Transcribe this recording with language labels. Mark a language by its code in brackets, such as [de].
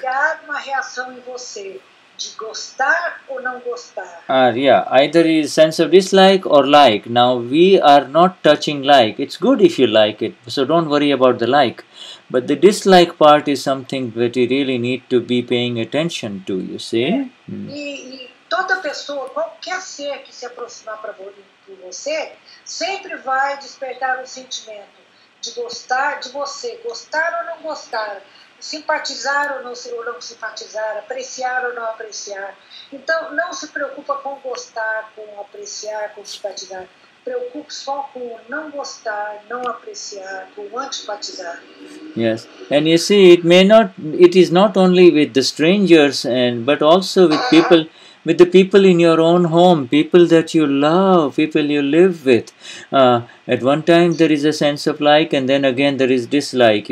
[pt] Pode criar uma reação em você, de gostar ou não gostar. [en] Either a sense of dislike or like. Now, we are not touching like. It's good if you like it, so don't worry about the like. But the dislike part is something that you really need to be paying attention to, you see? [pt] Toda pessoa, qualquer ser que se aproximar para você, sempre vai despertar o sentimento de gostar de você, gostar ou não gostar, simpatizar ou não simpatizar, apreciar ou não apreciar. Então, não se preocupa com gostar, com apreciar, com simpatizar. Preocupe só com não gostar, não apreciar, com antipatizar. [en] Yes, and you see, it is not only with the strangers, but also with people with the people in your own home, people that you love, people you live with. At one time there is a sense of like, and then again there is dislike.